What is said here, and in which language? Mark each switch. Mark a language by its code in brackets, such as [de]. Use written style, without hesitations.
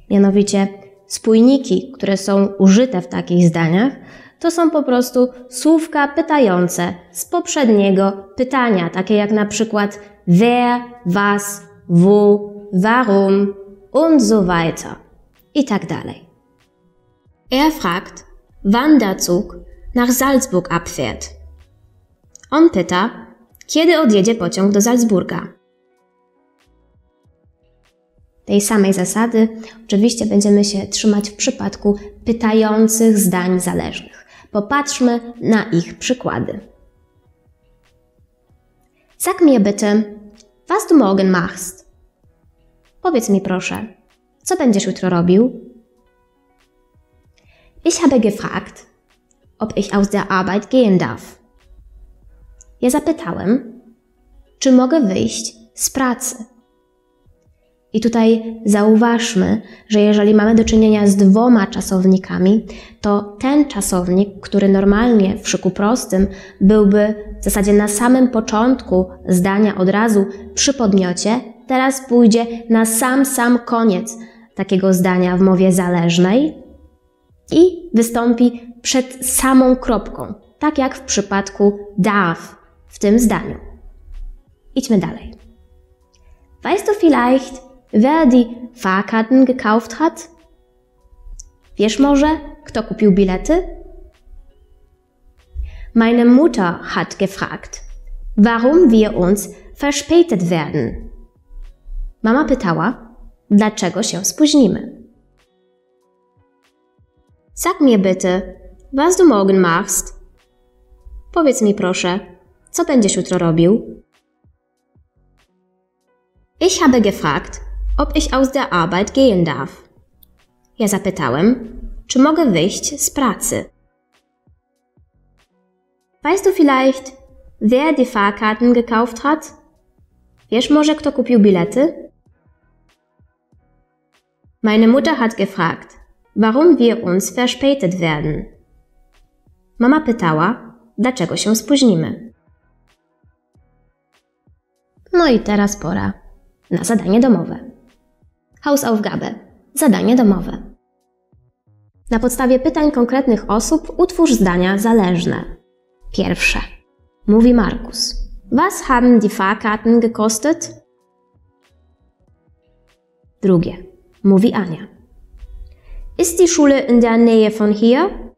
[pl] Mianowicie spójniki, które są użyte w takich zdaniach, to są po prostu słówka pytające z poprzedniego pytania, takie jak na przykład [de] wer, was, wo, warum und so weiter [pl] i tak dalej. [de] Er fragt, wann der Zug nach Salzburg abfährt. [pl] On pyta, kiedy odjedzie pociąg do Salzburga. Tej samej zasady oczywiście będziemy się trzymać w przypadku pytających zdań zależnych. Popatrzmy na ich przykłady. [de] Sag mir bitte, was du morgen machst? [pl] Powiedz mi proszę, co będziesz jutro robił? [de] Ich habe gefragt, ob ich aus der Arbeit gehen darf. [pl] Ja zapytałem, czy mogę wyjść z pracy. I tutaj zauważmy, że jeżeli mamy do czynienia z dwoma czasownikami, to ten czasownik, który normalnie w szyku prostym byłby w zasadzie na samym początku zdania od razu przy podmiocie, teraz pójdzie na sam koniec takiego zdania w mowie zależnej i wystąpi przed samą kropką, tak jak w przypadku darf w tym zdaniu. Idźmy dalej. [de] Weißt du vielleicht, wer die Fahrkarten gekauft hat? [pl] Wiesz może, kto kupił bilety? [de] Meine Mutter hat gefragt, warum wir uns verspätet werden. [pl] Mama pytała, dlaczego się spóźnimy. [de] Sag mir bitte, was du morgen machst? [pl] Powiedz mi proszę, co będziesz jutro robił? [de] Ich habe gefragt, ob ich aus der Arbeit gehen darf. [pl] Ja zapytałem, czy mogę wyjść z pracy. [de] Weißt du vielleicht, wer die Fahrkarten gekauft hat? [pl] Wiesz może, kto kupił bilety? [de] Meine Mutter hat gefragt, warum wir uns verspätet werden. [pl] Mama pytała, dlaczego się spóźnimy. No i teraz pora na zadanie domowe. Hausaufgabe. Zadanie domowe. Na podstawie pytań konkretnych osób utwórz zdania zależne. Pierwsze. Mówi Markus. [de] Was haben die Fahrkarten gekostet? [pl] Drugie. Mówi Ania. [de] Ist die Schule in der Nähe von hier?